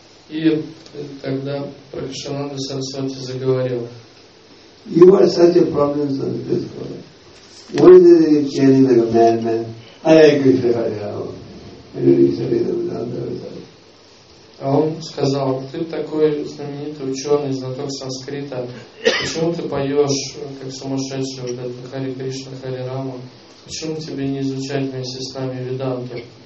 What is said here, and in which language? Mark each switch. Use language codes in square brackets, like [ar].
[ru] И тогда Прабхушананда Сарасвати заговорил. [en] You are such a problem, son of this world. What is it you're chanting like a madman? I agree with you. [ru] А он сказал, ты такой знаменитый ученый, знаток санскрита, почему ты поешь, как сумасшедший, вот это Хари Кришна, Хари Рама, почему тебе не изучать вместе с нами веданты?